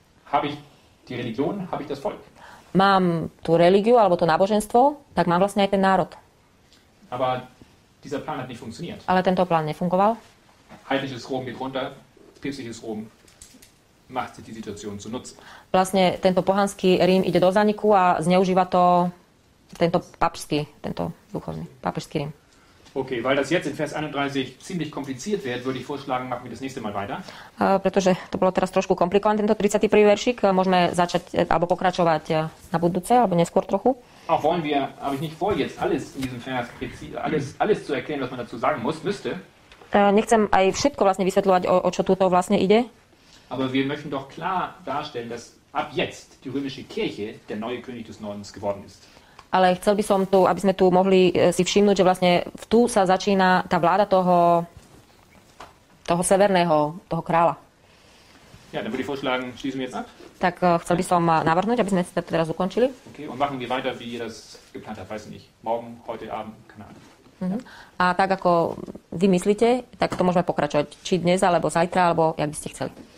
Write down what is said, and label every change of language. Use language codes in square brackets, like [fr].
[de] Habe ich die Religion, habe ich das Volk. [sk] Mám tú religiu alebo to náboženstvo, tak mám vlastne aj ten národ. [de] Aber dieser Plan hat nicht funktioniert. [sk] Ale tento plán nefungoval. [de] Heidnisches Rom geht runter, päpstliches Rom macht sich die Situation zu nutzen. [sk] Vlastne tento pohanský Rím ide do zaniku a zneužíva to tento papský, tento duchovný, papežský Rím. [de] Okay, weil das jetzt in Vers 31 ziemlich kompliziert wird, würde ich vorschlagen, machen wir das nächste Mal weiter. [sk] Pretože to bolo teraz trošku komplikované, tento 31. veršik, môžeme začať alebo pokračovať na budúce, alebo neskôr trochu. [de] auch wollen wir, habe ich nicht vor, jetzt alles in diesem Vers präzise, alles zu erklären, was man dazu sagen muss, müsste. [sk] Nechcem aj všetko vlastne vysvetľovať, o čo túto vlastne ide. [de] Aber wir möchten doch klar darstellen, dass ab jetzt die römische Kirche der neue König des Nordens geworden ist. [sk] Ale chcel by som tu, aby sme tu mohli si všimnúť, že vlastne tu sa začína tá vláda toho severného, toho kráľa. [de] Ja, dann würde ich vorschlagen, schließen wir jetzt ab. [sk] Tak chcel by som navrhnúť, aby sme si to teraz ukončili. [de] Okay, und machen wir weiter, wie ihr das geplant habt, weiß ich nicht. Morgen, heute Abend, keine Ahnung. [sk] A tak ako vy myslíte, tak to môžeme pokračovať, či dnes, alebo zajtra, alebo jak by ste chceli.